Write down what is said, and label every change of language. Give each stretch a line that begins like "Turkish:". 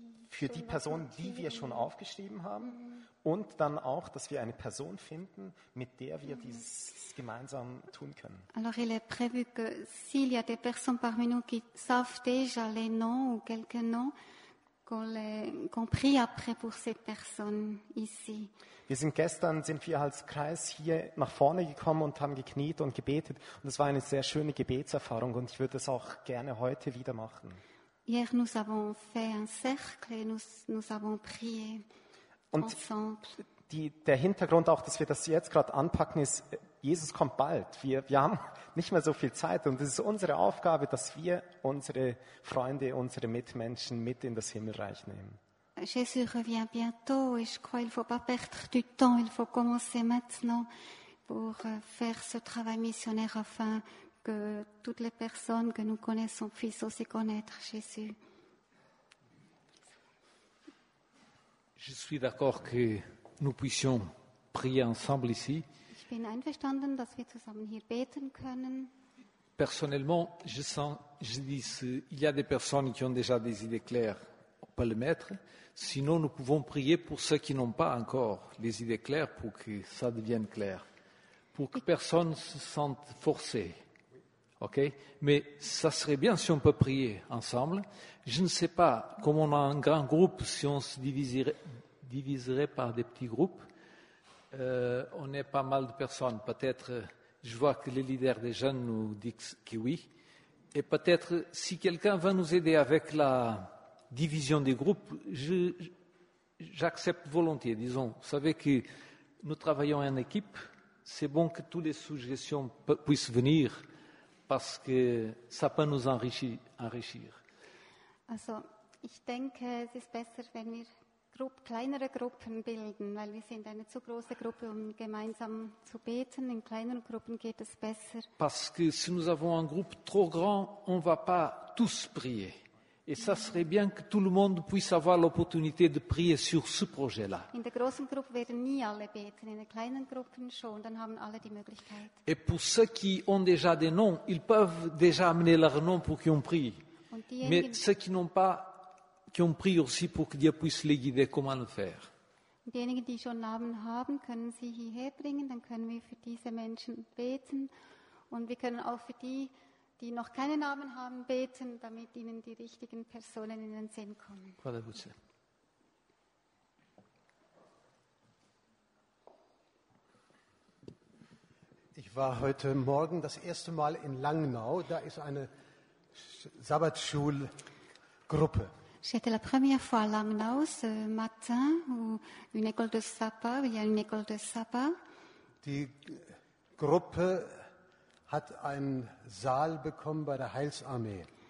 German: Für die Person, die wir schon aufgeschrieben haben, und dann auch, dass wir eine Person finden, mit der wir dieses gemeinsam tun können.
French: Alors il est prévu que s'il y a des personnes parmi nous qui savent déjà les noms ou quelques noms, qu'on prie après pour ces personnes ici.
German: Wir sind gestern als Kreis hier nach vorne gekommen und haben gekniet und gebetet, und es war eine sehr schöne Gebetserfahrung, und ich würde es auch gerne heute wieder machen.
French: Hier, nous avons fait un cercle et nous avons prié
German: und
French: ensemble.
German: Der Hintergrund auch, dass wir das jetzt gerade anpacken, ist, Jesus kommt bald. Wir haben nicht mehr so viel Zeit, und es ist unsere Aufgabe, dass wir unsere Freunde, unsere Mitmenschen mit in das Himmelreich nehmen.
French: Jésus revient bientôt.
German: Ich glaube,
French: il ne faut pas perdre du temps. Il faut commencer maintenant pour faire ce travail missionnaire afin que toutes les personnes que nous connaissons puissent aussi connaître Jésus. Je suis d'accord que nous puissions prier ensemble ici.
German: Ich bin einverstanden, dass wir zusammen hier beten können.
French: Personnellement, je dis, il y a des personnes qui ont déjà des idées claires, on peut les mettre. Sinon, nous pouvons prier pour ceux qui n'ont pas encore les idées claires, pour que ça devienne clair, pour que personne ne se sente forcé OK? Mais ça serait bien si on peut prier ensemble. Je ne sais pas, comme on a un grand groupe, si on se diviserait par des petits groupes, on est pas mal de personnes. Peut-être, je vois que les leaders des jeunes nous disent que oui. Et peut-être, si quelqu'un va nous aider avec la division des groupes, j'accepte volontiers, disons. Vous savez que nous travaillons en équipe, c'est bon que toutes les suggestions puissent venir parce que ça peut nous enrichir.
German: Also, ich denke, es ist besser, wenn wir kleinere Gruppen bilden, weil wir sind eine zu große Gruppe, um gemeinsam zu beten. In kleineren Gruppen geht es besser.
French: Parce que si nous avons un groupe trop grand, on va pas tous prier. Et ça serait bien que tout le monde puisse avoir l'opportunité de prier sur ce projet-là.
German: In der großen Gruppe werden nie alle beten, in den kleinen Gruppen schon, dann haben alle die Möglichkeit.
French: Et pour ceux qui ont déjà des noms, ils peuvent déjà amener leur nom pour qu'ils prient. Mais ceux qui n'ont pas, qui ont prié aussi pour que Dieu puisse les guider, comment le faire?
German: Diejenigen, die schon Namen haben, können sie hierher bringen, dann können wir für diese Menschen beten und wir können auch für die, die noch keine Namen haben, beten, damit ihnen die richtigen Personen in den Sinn kommen.
French: Voilà,
German: gut. Ich war heute Morgen das erste Mal in Langnau. Da ist eine Sabbatschulgruppe.
French: J'étais la première fois à Langnau ce matin, où une école de sabbat. Il y a une école de sabbat.
German: Die Gruppe hat einen Saal bekommen bei der Heilsarmee.